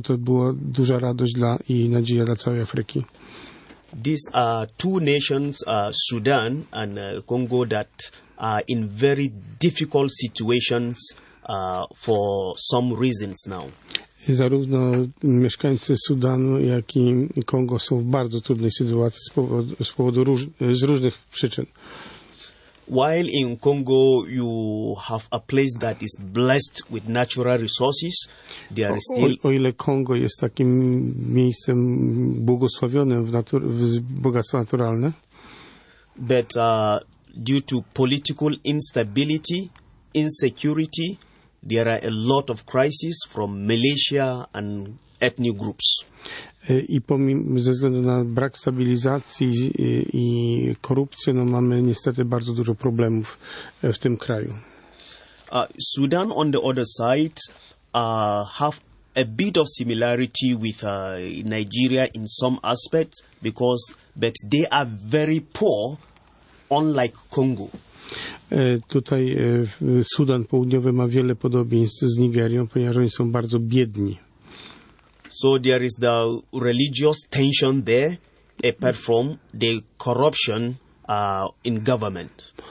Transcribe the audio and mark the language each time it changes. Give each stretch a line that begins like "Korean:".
Polish: To była duża radość i nadzieja dla całej Afryki.
English: These are two nations, Sudan and Congo, that are in very difficult situations for some reasons now.
Polish: Zarówno mieszkańcy Sudanu, jak i Kongo są w bardzo trudnej sytuacji z różnych przyczyn.
English: While in Congo you have a place that is blessed with natural resources, there are still...
Polish: O ile Kongo jest takim miejscem błogosławionym w bogactwa naturalne.
English: But due to political instability, insecurity, there are a lot of crises from militia and ethnic groups.
Polish: I ze względu na brak stabilizacji i korupcję, no mamy niestety bardzo dużo problemów w tym kraju.
English: Sudan on the other side have a bit of similarity with Nigeria in some aspects but they are very poor, unlike Congo.
Polish: Tutaj Sudan Południowy ma wiele podobieństw z Nigerią, ponieważ oni są bardzo biedni.
English: So there is the religious tension there, apart from the corruption in government.